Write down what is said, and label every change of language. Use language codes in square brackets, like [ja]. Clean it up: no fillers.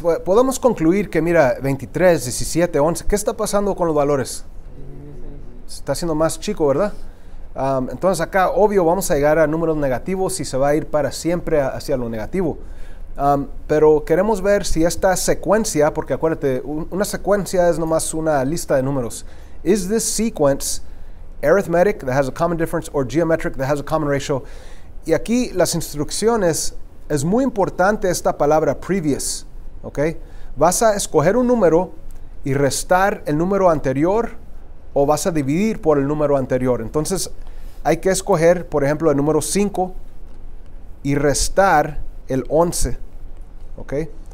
[es] Podemos concluir que, mira, 23, 17, 11. ¿Qué está pasando con los valores? Se está haciendo más chico, ¿verdad? Entonces acá, obvio, vamos a llegar a números negativos y se va a ir para siempre hacia lo negativo. Pero queremos ver si esta secuencia, porque acuérdate, una secuencia es nomás una lista de números. [en] Is this sequence arithmetic that has a common difference or geometric that has a common ratio? [es] Y aquí las instrucciones, es muy importante esta palabra previous. Okay? Vas a escoger un número y restar el número anterior, o vas a dividir por el número anterior. Entonces, hay que escoger, por ejemplo, el número 5 y restar el 11. ¿Okay?